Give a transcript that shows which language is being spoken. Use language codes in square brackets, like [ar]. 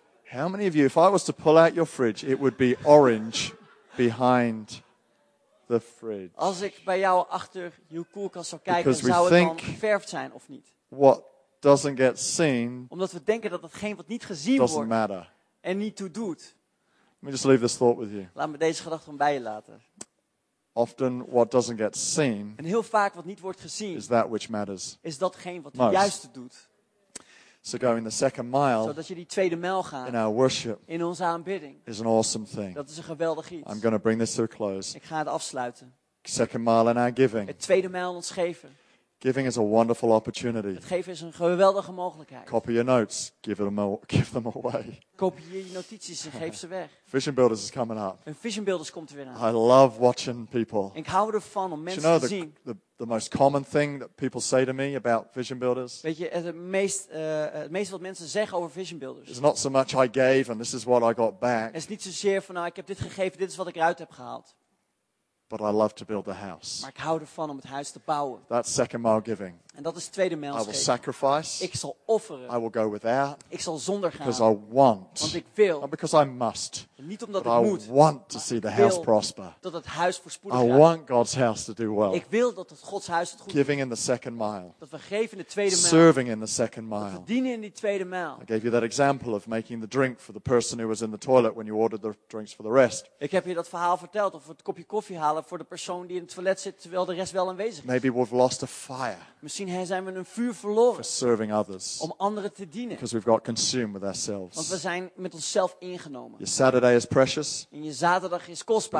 [en] How many of you, if I was to pull out your fridge, it would be orange behind the fridge? [nl] Als ik bij jou achter je koelkast zou kijken, dan zou het dan geverfd zijn of niet? [en] What doesn't get seen? [nl] Omdat we denken dat hetgeen wat niet gezien wordt, [en] doesn't matter. [nl] En niet toe doet. [en] Let me just leave this thought with you. [nl] Laat me deze gedachte om bij je laten. [en] Often what doesn't get seen. [nl] En heel vaak wat niet wordt gezien, [en] is that which matters. [nl] Is datgeen wat het juiste doet. [en] So going the second mile, [nl] zodat je die tweede mijl gaat [en] in, our worship, [nl] in onze aanbidding, [en] is an awesome thing. [nl] Dat is een geweldig iets. [en] I'm going to bring this to a close. [nl] Ik ga het afsluiten. [en] Second mile in our giving. [nl] Het tweede mijl in ons geven. [en] Giving is a wonderful opportunity. [nl] Het geven is een geweldige mogelijkheid. [en] Copy your notes, give them away. [nl] Kopieer je notities en geef ze weg. [en] Vision Builders is coming up. [nl] En Vision Builders komt er weer aan. [en] I love watching people. [nl] Ik hou ervan om mensen [en] you know, [nl] te zien. [en] The most common thing that people say to me about Vision Builders. [nl] Weet je, het meest wat mensen zeggen over Vision Builders. [en] It's not so much I gave and this is what I got back. [nl] Het is niet zozeer van nou, ik heb dit gegeven, dit is wat ik eruit heb gehaald. [en] But I love to build the house. [nl] Maar ik hou ervan om het huis te bouwen. [en] That's second mile giving. [nl] En dat is tweede mijl geven. [en] I will sacrifice. [nl] Ik zal offeren. [en] I will go without. [nl] Ik zal zonder gaan. [en] Because I want. [nl] Want ik wil. [en] Not because I must. [nl] En niet omdat [en] but [nl] ik [en] I [nl] moet. [en] I want to see the house prosper. [nl] Dat het huis voorspoedig [en] I [nl] gaat. [en] I want God's house to do well. [nl] Ik wil dat het Gods huis het goed [en] giving [nl] doet. [en] In the second mile. [nl] Dat we geven in de tweede mijl. [en] Serving in the second mile. [nl] Dat we dienen in die tweede mijl. [en] I gave you that example of making the drink for the person who was in the toilet when you ordered the drinks for the rest. [nl] Ik heb je dat verhaal verteld over het kopje koffie halen. Voor de persoon die in het toilet zit, terwijl de rest wel aanwezig is. [en] Maybe we've lost a fire. [nl] Misschien zijn we een vuur verloren. [en] For serving others. [nl] Om anderen te dienen. [en] Because we've got consumed with ourselves. [nl] Want we zijn met onszelf ingenomen. [en] Your Saturday is precious. [nl] En je zaterdag is kostbaar.